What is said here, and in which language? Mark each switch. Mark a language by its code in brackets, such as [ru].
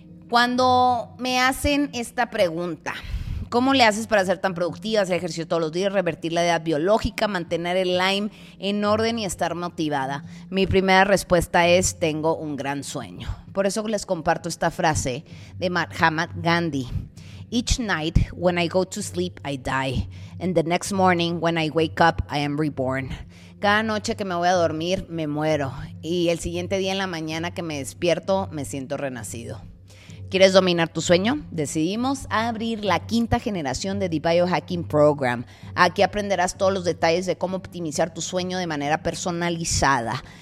[es] Cuando me hacen esta pregunta, ¿cómo le haces para ser tan productiva, hacer ejercicio todos los días, revertir la edad biológica, mantener el Lyme en orden y estar motivada? Mi primera respuesta es, tengo un gran sueño. Por eso les comparto esta frase de Mahatma Gandhi. [en] Each night when I go to sleep, I die. And the next morning when I wake up, I am reborn. [es] Cada noche que me voy a dormir, me muero. Y el siguiente día en la mañana que me despierto, me siento renacido. ¿Quieres dominar tu sueño? Decidimos abrir la quinta generación de The Biohacking Program. Aquí aprenderás todos los detalles de cómo optimizar tu sueño de manera personalizada.